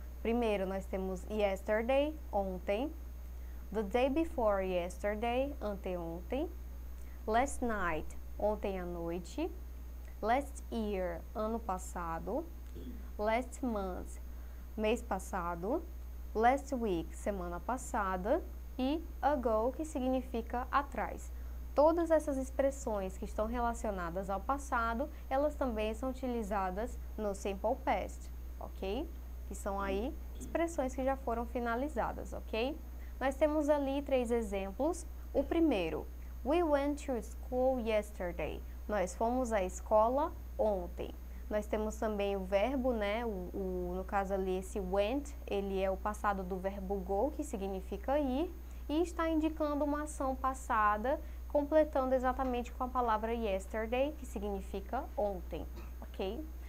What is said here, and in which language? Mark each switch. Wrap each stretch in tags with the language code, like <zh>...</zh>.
<pt>Primeiro, nós temos yesterday, ontem;</pt> <en>the day before yesterday,</en> <pt>anteontem;</pt> <en>last night,</en> <pt>ontem à noite;</pt> <en>last year,</en> <pt>ano passado;</pt> <en>last month,</en> <pt>mês passado;</pt> <en>last week,</en> <pt>semana passada; e ago, que significa atrás. Todas essas expressões que estão relacionadas ao passado, elas também são utilizadas no Simple Past, ok? Que são aí expressões que já foram finalizadas, ok? Nós temos ali três exemplos. O primeiro:</pt> <en>we went to school yesterday.</en> <pt>Nós fomos à escola ontem. Nós temos também o verbo, né? No caso ali, esse went, ele é o passado do verbo go, que significa ir, e está indicando uma ação passada, completando exatamente com a palavra yesterday, que significa ontem, ok?</pt>